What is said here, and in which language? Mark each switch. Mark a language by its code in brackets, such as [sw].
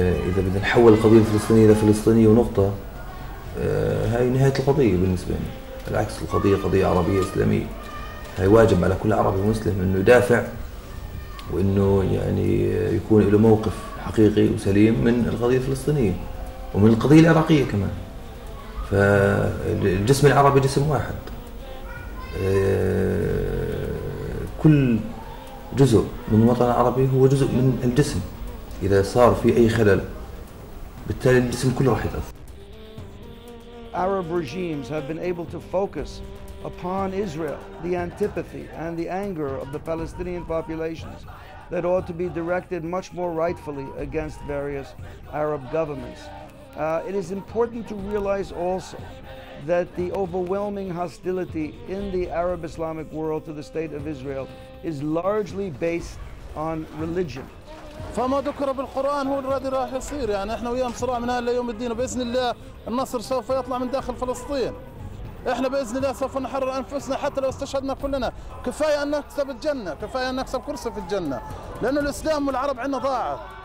[ar] إذا بدنا نحول القضية الفلسطينية إلى فلسطينية ونقطة هاي نهاية القضية بالنسبة لي العكس القضية قضية عربية إسلامية هاي واجب على كل عربي مسلم إنه يدافع وإنه يعني يكون له موقف حقيقي وسليم من القضية الفلسطينية ومن القضية العراقية كمان فالجسم العربي جسم واحد كل جزء من الوطن العربي هو جزء من الجسم إذا صار في أي خلل بالتالي الجسم كله راح يتأثر. [en] Arab regimes have been able to focus upon Israel the antipathy and the anger of the Palestinian populations that ought to be directed much more rightfully against various Arab governments. It is important to realize also that the overwhelming hostility in the Arab Islamic world to the state of Israel is largely based on religion. [ar] فما ذكر بالقرآن هو الذي راح يصير. يعني احنا وياهم صراع من هلا يوم الدين، وبإذن الله النصر سوف يطلع من داخل فلسطين. احنا بإذن الله سوف نحرر أنفسنا حتى لو استشهدنا كلنا. كفاية أن نكسب الجنة، كفاية أن نكسب كرسي في الجنة، لأن الإسلام والعرب عندنا ضاعت.